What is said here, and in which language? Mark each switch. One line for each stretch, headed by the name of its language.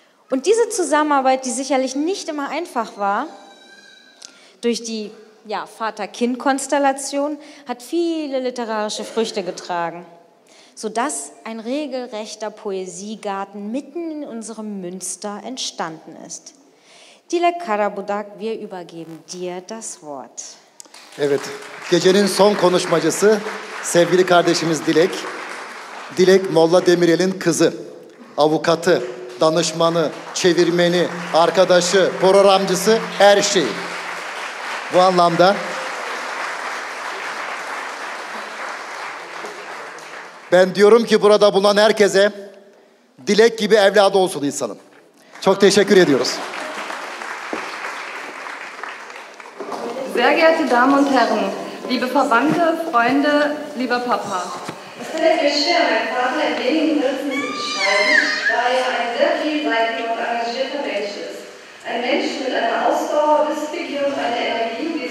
German: Und diese Zusammenarbeit, die sicherlich nicht immer einfach war, durch die Vater-Kind-Konstellation, hat viele literarische Früchte getragen, sodass ein regelrechter Poesiegarten mitten in unserem Münster entstanden ist. Dilek Karabudak, wir übergeben dir das Wort.
Turkish: Evet, gecenin son konuşmacısı, sevgili kardeşimiz Dilek. Dilek, Molla Demirel'in kızı, avukatı, danışmanı, çevirmeni, arkadaşı, programcısı, her şey. Bu anlamda ben diyorum ki burada bulunan herkese Dilek gibi evladı olsun insanın. Çok teşekkür ediyoruz.
German: Sehr geehrte Damen und Herren, liebe Verwandte, Freunde, lieber Papa. Es fällt mir schwer, mein Vater in wenigen Sätzen zu beschreiben, da er ein sehr vielseitiger und engagierter Mensch ist. Ein Mensch mit einer Ausdauer, Wissbegier und einer Energie.